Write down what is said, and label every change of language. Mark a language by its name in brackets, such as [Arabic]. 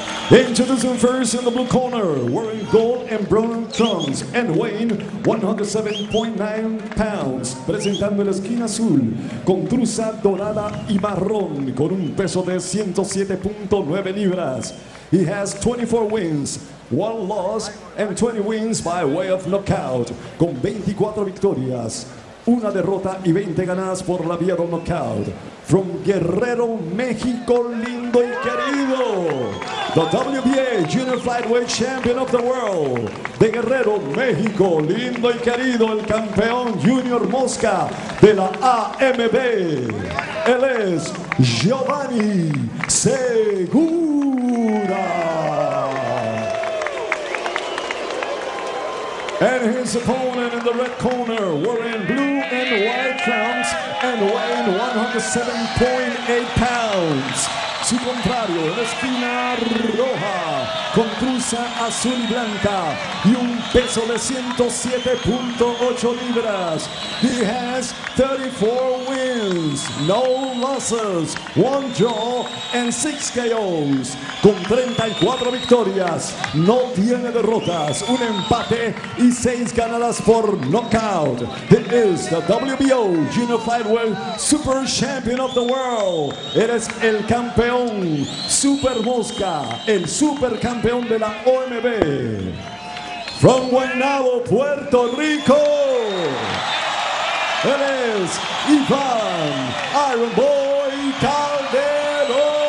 [English] Introducing first in the blue corner, wearing gold and brown trunks and weighing 107.9 pounds. [Spanish] Presentando la esquina azul con trusa dorada y marrón con un peso de 107.9 libras. [English] He has 24 wins, 1 loss and 20 wins by way of knockout. [Spanish] Con 24 victorias, 1 derrota y 20 ganadas por la vía del knockout. From Guerrero, México, lindo y querido. [English] The WBA Junior Flyweight Champion of the World. [Spanish] De Guerrero, México, lindo y querido. El campeón Junior Mosca de la AMB. Él es Giovanni Segura. [English] And his opponent in the red corner, wearing blue and white trunks and weighing 107.8 pounds. [Spanish] Su contrario, la esquina roja, con trusa azul y blanca, y un peso de 107.8 libras. [English] He has 34 wins, no losses, 1 draw and 6 KOs. [Spanish] Con 34 victorias, no tiene derrotas, un empate y 6 ganadas por knockout. [English] He is the WBO Junior Flyweight Super Champion of the World. [Spanish] Eres el campeón Super Mosca, el super campeón de la OMB. From Guaynabo, Puerto Rico, él es Ivan Iron Boy Calderón.